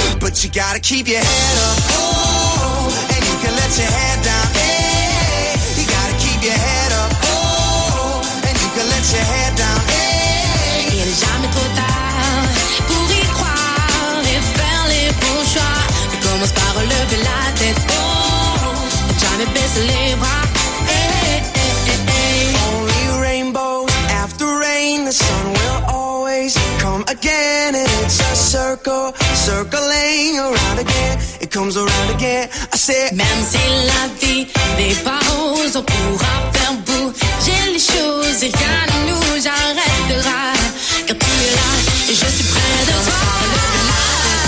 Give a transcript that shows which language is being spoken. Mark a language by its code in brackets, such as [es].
[en] But you gotta keep your head up, oh, and you can let your head down, hey, you gotta keep your head up, oh, and you can let your head down, hey. [fr] Il n'est jamais trop tard pour y croire et faire les bons choix. Tu commences par relever la tête, oh, jamais baisser les bras, hey, hey, hey, hey. [en] Only rainbows after rain, the sun will always come again, and it's a circle. Circling around again, it comes around again. I said, [fr] même si la vie n'est pas rose, on pourra faire bouger les choses. Et rien ne nous arrêtera. Car tu es là, et je suis près de toi.